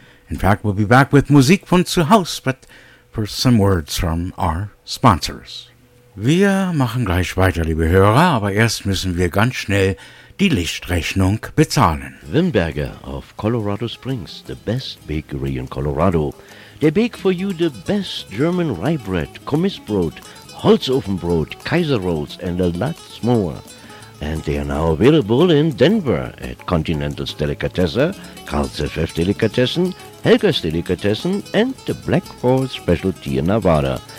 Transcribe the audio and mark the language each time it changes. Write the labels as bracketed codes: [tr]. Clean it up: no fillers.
[en] In fact, we'll be back with Musik von zu Haus, but for some words from our sponsors. [de] Wir machen gleich weiter, liebe Hörer, aber erst müssen wir ganz schnell die Lichtrechnung bezahlen. [en] Wimberger of Colorado Springs, the best bakery in Colorado. They bake for you the best German rye bread, Kommissbrot, Holzofenbrot, Kaiser Rolls, and a lot more. And they are now available in Denver at Continental's Delicatesse, Karl's FF Delicatessen, Helga's Delicatessen, and the Black Forest Specialty in Nevada.